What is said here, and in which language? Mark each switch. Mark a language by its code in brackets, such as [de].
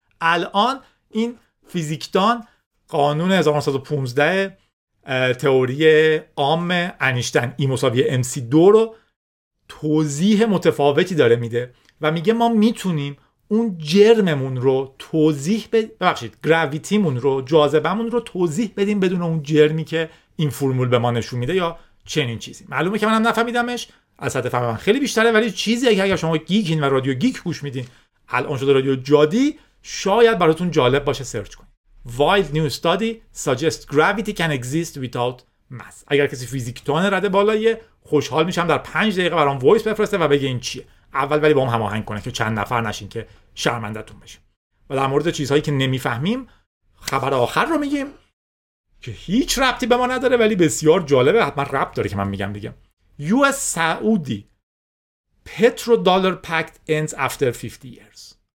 [fa] الان این فیزیکدان قانون 1915 تئوری عام اینشتین E=mc2 رو توضیح متفاوتی داره میده و میگه ما میتونیم اون جرممون رو توضیح گراویتیمون رو، جاذبه‌مون رو توضیح بدیم بدون اون جرمی که این فرمول به ما نشون میده یا چنین چیزی. معلومه که منم نفهمیدمش، از سطح فهم من خیلی بیشتره، ولی چیزیه که اگر شما گیکین و رادیو گیک گوش میدین، الان شده رادیو جادی، شاید براتون جالب باشه سرچ کنید. [en] Wild new study suggests gravity can exist without mass. [fa] اگر کسی فیزیکتون رده بالاییه، خوشحال میشم در 5 دقیقه برام وایس بفرسته و بگه این چیه. اول ولی با هم هماهنگ کنه که چند نفر نشین که شرمندتون بشه. و در مورد چیزهایی که نمیفهمیم خبر آخر رو میگیم که هیچ ربطی به ما نداره ولی بسیار جالبه، حتما ربط داره که من میگم دیگه. [en] US Saudi Petrodollar Pact ends after 50 years.